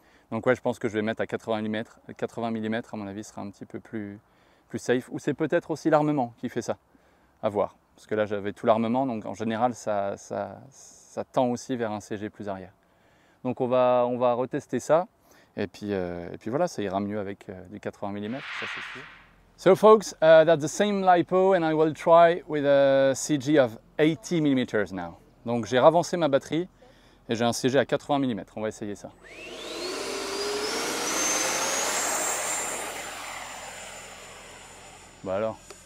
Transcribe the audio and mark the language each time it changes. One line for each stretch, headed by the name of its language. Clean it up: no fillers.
French: Donc ouais, je pense que je vais mettre à 80 millimètres. À mon avis, sera un petit peu plus safe. Ou c'est peut-être aussi l'armement qui fait ça. À voir. Parce que là, j'avais tout l'armement, donc en général, ça tend aussi vers un CG plus arrière. Donc on va retester ça. Et puis voilà, ça ira mieux avec du 80 millimètres. Ça c'est sûr.
English: So folks, that's the same lipo and I will try with a CG of 80 millimeters now.
French: Donc j'ai ravancé ma batterie et j'ai un CG à 80 millimètres. On va essayer ça. Bah alors.